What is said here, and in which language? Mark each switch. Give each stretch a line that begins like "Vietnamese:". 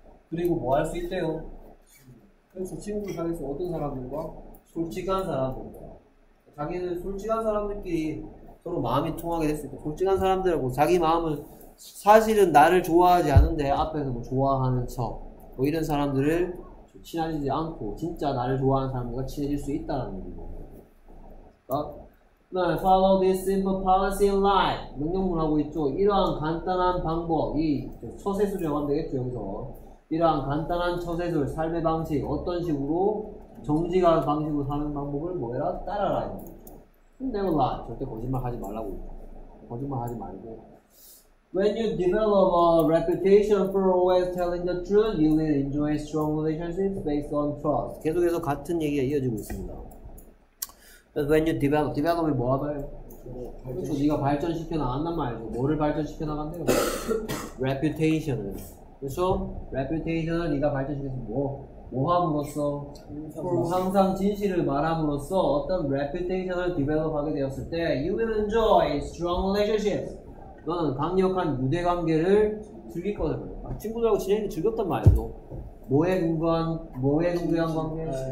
Korean: 그리고 뭐 할 수 있대요? 그래서 친구들 사이에서 어떤 사람들과 솔직한 사람들과 자기는 솔직한 사람들끼리 서로 마음이 통하게 됐을 때 솔직한 사람들하고 자기 마음을 사실은 나를 좋아하지 않은데 앞에서 뭐 좋아하는 척 뭐 이런 사람들을 친해지지 않고 진짜 나를 좋아하는 사람들과 친해질 수 있다는 얘기고 그 다음에
English: follow this simple policy in life
Korean: 명령문 하고 있죠. 이러한 간단한 방법이 처세술이라고 하면 되겠죠. 여기서 이러한 간단한 처세술 삶의 방식 어떤 식으로 정직한 방식으로 사는 방법을 뭐해라 따라라
English: never lie.
Korean: 절대 거짓말 하지 말라고. 거짓말 하지 말고.
English: When you develop a reputation for always telling the truth, you will enjoy strong relationships based on trust.
Korean: 계속해서 같은 얘기가 이어지고 있습니다.
English: When you develop,
Korean: develop이 뭐가 봐요? 그렇죠. 네가 발전시켜 나간단 말이죠. 뭐를 발전시켜 나간대요? reputation을. 그렇죠? reputation을 네가 발전시켜서 뭐? 모함으로써 항상 진실을 말함으로써 어떤 reputation을 develop하게 되었을 때
English: you will enjoy strong relationships
Korean: 너는 강력한 유대관계를 즐길 거다 아, 친구들하고 지내는 게 즐겁단 말이죠 뭐에 근거한 관계?